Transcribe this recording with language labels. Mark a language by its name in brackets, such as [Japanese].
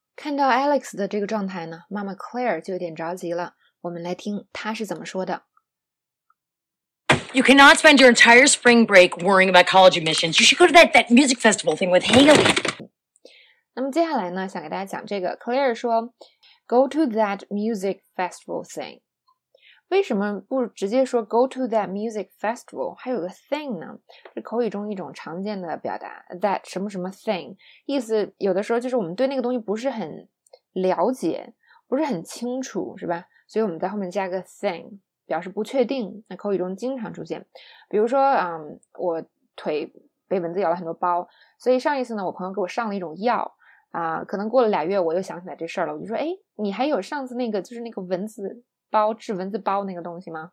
[Chinese] 看到 Alex 的这个状态呢，妈妈 Claire 就有点着急了。我们来听她是怎么说的。 [English] You cannot spend your entire spring break worrying about college admissions. You should go to that music festival thing with Haley. [Chinese] 那么接下来呢，想给大家讲这个。 [English] Claire [Chinese] 说 [English] ，Go to that music festival thing. [Chinese] 为什么不直接说 [English] go to that music festival? [Chinese] 还有个 thing 呢？是口语中一种常见的表达。That 什么什么 thing? 意思有的时候就是我们对那个东西不是很了解，不是很清楚，是吧？所以我们在后面加个 thing。表示不确定，那口语中经常出现。比如说我腿被蚊子咬了很多包，所以上一次呢我朋友给我上了一种药可能过了俩月我又想起来这事儿了，我就说，诶，你还有上次那个就是那个蚊子包，治蚊子包那个东西吗？